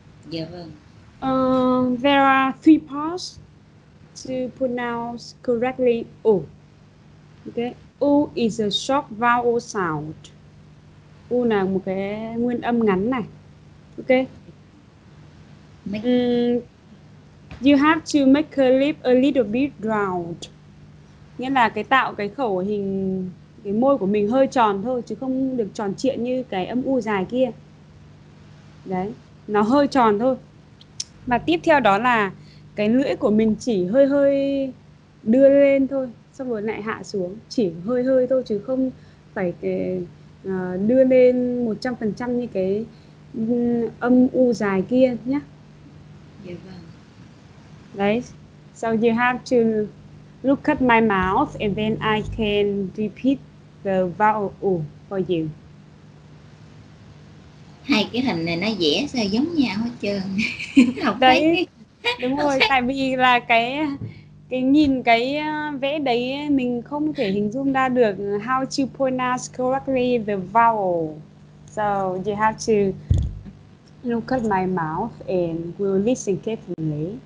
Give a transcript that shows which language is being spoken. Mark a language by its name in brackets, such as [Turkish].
[Vietnamese] Dạ vâng. [English] There are three parts to pronounce correctly. Ok. U is a short vowel sound. [Vietnamese] U là một cái nguyên âm ngắn này. [English] Ok. You have to make a lip a little bit round. [Vietnamese] Nghĩa là cái tạo cái khẩu hình, cái môi của mình hơi tròn thôi, chứ không được tròn trịa như cái âm u dài kia. Đấy, nó hơi tròn thôi. Và tiếp theo đó là cái lưỡi của mình chỉ hơi hơi đưa lên thôi, xong rồi lại hạ xuống, chỉ hơi hơi thôi chứ không phải cái, đưa lên 100% như cái âm u dài kia nhé. Dạ vâng. Đấy, [English] so you have to look at my mouth and then I can repeat the vowel u for you. [Vietnamese] Hai cái hình này nó vẽ sao giống nhau hết trơn. Không thấy Đấy, cái đúng không rồi, thấy. tại vì là cái nhìn cái vẽ đấy mình không thể hình dung ra được [English] how to pronounce correctly the vowel. So you have to look at my mouth and we'll listen carefully.